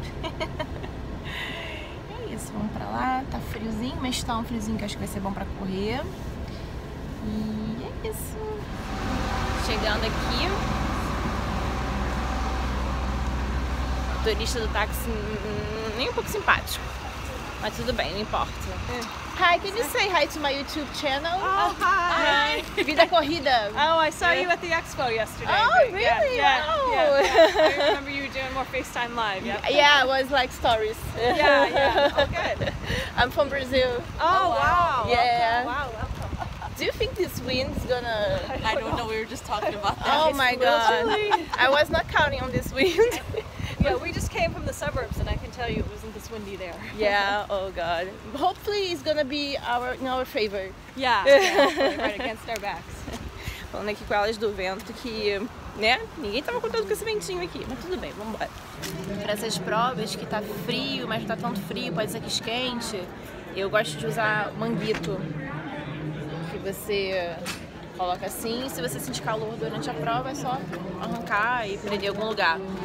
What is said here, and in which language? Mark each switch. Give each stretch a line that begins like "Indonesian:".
Portuguese: É isso, vamos pra lá, tá friozinho, mas tá um friozinho que acho que vai ser bom pra correr. E é isso. Chegando aqui, o motorista do táxi, nem um pouco simpático, mas tudo bem, não importa.
English: Hi, can you say hi to my YouTube channel? Oh, hi! Vida Corrida! Oh, I saw you at the expo yesterday. Oh, really? Yeah, wow! Yeah. I remember you doing more FaceTime Live. Yeah, it was like stories. Yeah. Oh, good. I'm from Brazil. Oh, wow! Yeah. Welcome. Wow, welcome. Do you think this wind's gonna... I don't know, we were just talking about that. Oh, it's my God. I was not counting on this wind. Yeah, we just came from the suburbs, and I can tell you it wasn't this windy there. Yeah, oh God. Hopefully it's gonna be in our favor. Yeah, hopefully right against our backs.
Portuguese: Falando aqui com elas do vento que, né, ninguém tava contando com esse ventinho aqui, mas tudo bem, vambora. Para essas provas que tá frio, mas não tá tanto frio, pode ser que esquente, eu gosto de usar manguito, que você coloca assim, se você sentir calor durante a prova é só arrancar e prender em algum lugar.